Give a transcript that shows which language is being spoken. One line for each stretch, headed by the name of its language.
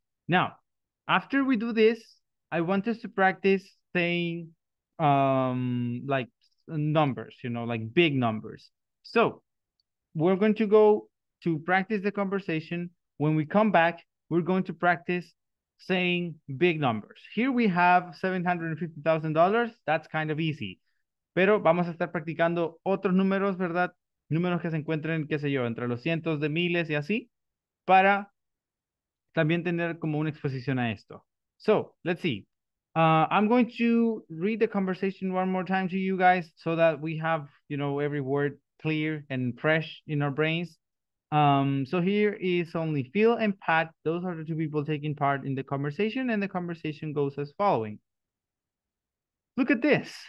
English: Now, after we do this, I want us to practice saying like numbers, you know, like big numbers. So we're going to go to practice the conversation. When we come back, we're going to practice saying big numbers. Here we have $750,000. That's kind of easy.
Spanish: Pero vamos a estar practicando otros números, ¿verdad? Números que se encuentren, qué sé yo, entre los cientos de miles y así, para también tener como una exposición a esto.
English: So, let's see. I'm going to read the conversation one more time to you guys so that we have, you know, every word clear and fresh in our brains. So here is only Phil and Pat. Those are the two people taking part in the conversation, and the conversation goes as following. Look at this.